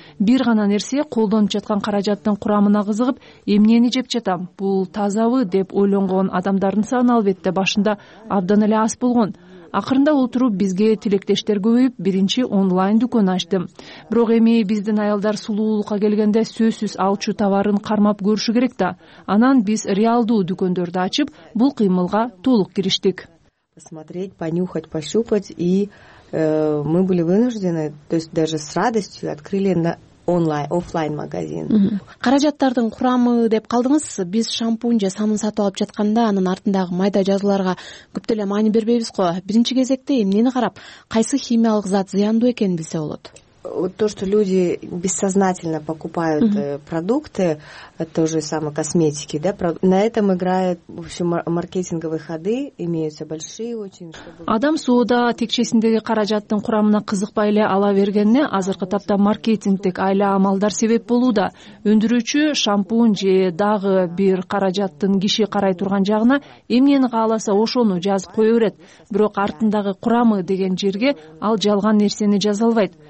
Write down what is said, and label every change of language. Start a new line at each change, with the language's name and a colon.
Kyrgyz: Бир гана нерсе колдонуп жаткан каражаттын курамына кызыгып, эмнени жеп жатам, бул тазабы деп ойлонгон адамдардын саны албетте башында абдан эле аз болгон. Акырында олтуруп бизге тилектештер көбөйүп, биринчи онлайн дүкөн ачтым. Бирок эми биздин аялдар сулуулукка келгенде сөзсүз алчу товарын кармап көрүшү керек да. Анан биз реалдуу дүкөндөрдү ачып, бул кыймылга толук кириштик.
Russian: смотреть, понюхать, пощупать, и мы были вынуждены, то есть даже с радостью открыли на онлайн, офлайн магазин.
Kyrgyz: Каражаттардын курамы деп калдыңыз, биз шампунь же сабын сатып алып жатканда анын артындагы майда жазуларга көп деле маани бербейбиз го. Биринчи кезекте эмнени карап, кайсы химиялык зат зыяндуу экенин билсе болот.
Russian: Вот то, что люди бессознательно покупают продукты, то же самое косметики, да, на этом играют, в общем, маркетинговые ходы, имеются большие очень.
Kyrgyz: Адам сууда текчесиндеги каражаттын курамына кызыкпай эле ала бергенине азыркы тапта маркетингдик айла амалдар себеп болууда. Өндүрүүчү шампунь же дагы бир каражаттын киши карай турган жагына эмнени кааласа ошону жазып кое берет. Бирок артындагы курамы деген жерге ал жалган нерсени жаза албайт.